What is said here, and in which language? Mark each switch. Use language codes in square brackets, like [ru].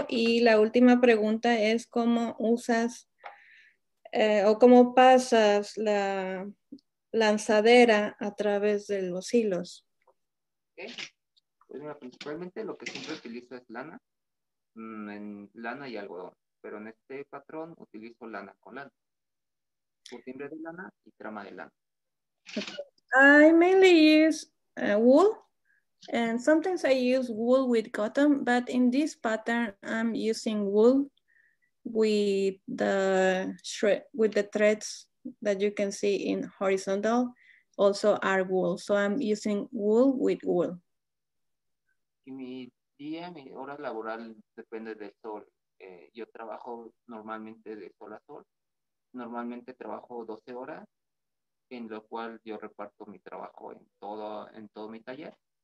[es] Y la última pregunta es cómo usas o cómo pasas la lanzadera a través de los hilos. [en] Okay. [es] Pues mira, principalmente lo que siempre utilizo es lana, en lana y algodón, pero en este patrón utilizo lana con lana, cutimbre de lana y trama de lana. [en] I mainly use wool, and sometimes I use wool with cotton, but in this pattern I'm using wool with the thread, with the threads that you can see in horizontal, also are wool. So I'm using wool with wool. [es] Y mi día, mi hora laboral depende del sol. Yo trabajo normalmente de sol a sol. Normalmente trabajo 12 horas, en lo cual yo reparto mi trabajo en todo mi taller.